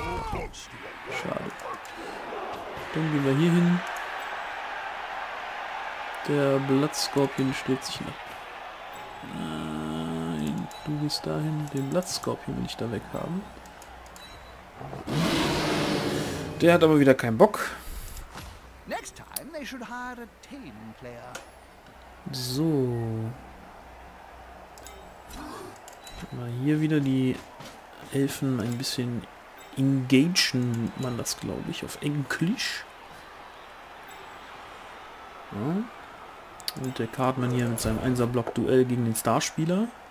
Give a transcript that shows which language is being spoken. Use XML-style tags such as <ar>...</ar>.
<de>Schade. Dann gehen wir hier hin. Der Blattskorpion stellt sich nach. Nein, du gehst dahin. Den Blattskorpion will ich da weg haben. Der hat aber wieder keinen Bock.</de> <en>Next time they should hire a team player.</en> <de>So. Mal hier wieder die Elfen ein bisschen engagen, nennt man das, glaube ich, auf Englisch. Ja. Und der Cartman hier mit seinem 1er-Block-Duell gegen den Starspieler.</de>